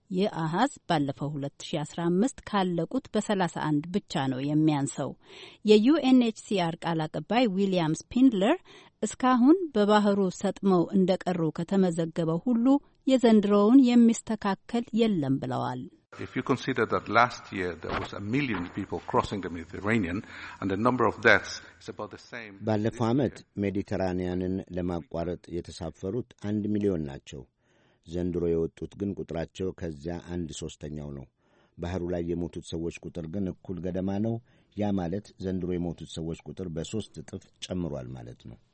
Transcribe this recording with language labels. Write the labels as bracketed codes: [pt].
[am] የአሃዝ ባለፈው 2015 ካለቁት በ31 ብቻ ነው የሚያንሰው። የዩኤንኤችሲአር ቃል አቀባይ ዊሊያም ስፒንድለር እስካሁን በባህሩ ሰጥመው እንደቀሩ ከተመዘገበው ሁሉ የዘንድሮውን የሚስተካከል የለም ብለዋል። [en] If you consider that last year there was 1 million people crossing the Mediterranean and the number of deaths is about the same. [am] ባለፈው ዓመት ሜዲተራኒያንን ለማቋረጥ የተሳፈሩት 1 ሚሊዮን ናቸው። ዘንድሮ የወጡት ግን ቁጥራቸው ከዚያ 1/3 ነው። ባህሩ ላይ የሞቱት ሰዎች ቁጥር ግን እኩል ገደማ ነው። ያ ማለት ዘንድሮ የሞቱት ሰዎች ቁጥር በ3 እጥፍ ጨምሯል ማለት ነው።